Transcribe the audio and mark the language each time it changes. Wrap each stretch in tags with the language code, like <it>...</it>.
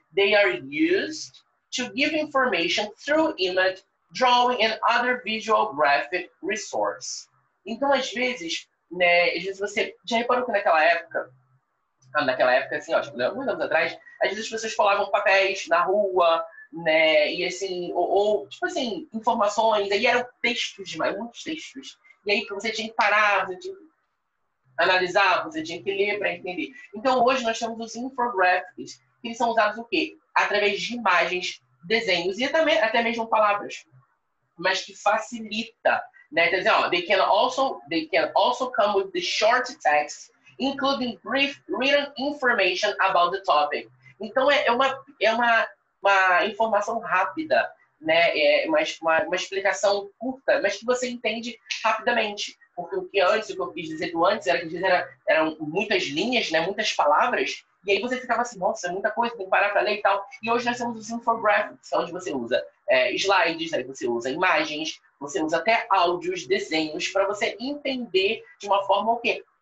<en>They are used to give information through image, drawing and other visual graphic resource.</en> <pt>Então, às vezes, né, às vezes você já reparou que naquela época, assim, ó, tipo, alguns anos atrás, às vezes as pessoas colavam papéis na rua, né, e assim, ou tipo assim, informações, aí eram textos demais, muitos textos. E aí você tinha que parar, você tinha que analisar, você tinha que ler para entender. Então, hoje nós temos os infographics, que são usados o quê? Através de imagens, desenhos e também até mesmo palavras. Mas que facilita, né? Quer dizer, ó,</pt> <en>they can also come with the short text, including brief written information about the topic.</en> <pt>Então é uma informação rápida, né? É uma explicação curta, mas que você entende rapidamente. Porque o que antes, o que eu quis dizer do antes, era que eram muitas linhas, né? Muitas palavras, e aí você ficava assim, nossa, muita coisa, tem que parar para ler e tal. E hoje nós temos os infographics, onde você usa slides, aí você usa imagens, você usa até áudios, desenhos, para você entender de uma forma o quê?</pt>